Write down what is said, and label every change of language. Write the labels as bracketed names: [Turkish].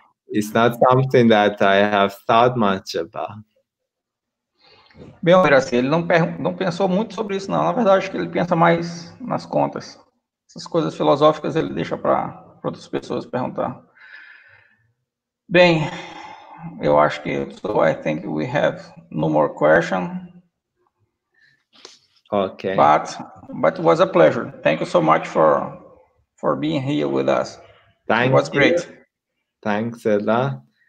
[English] It's not something that I have thought much about. [Portuguese] Bem, Horácio, ele não pensou muito sobre isso, não. Na verdade, acho que ele pensa mais nas contas. Essas coisas filosóficas ele deixa para outras pessoas perguntar. Bem, eu acho que... [English] So, I think we have no more question. Okay. But it was a pleasure. Thank you so much for being here with us. Thank it was you. Great. Thanks a lot.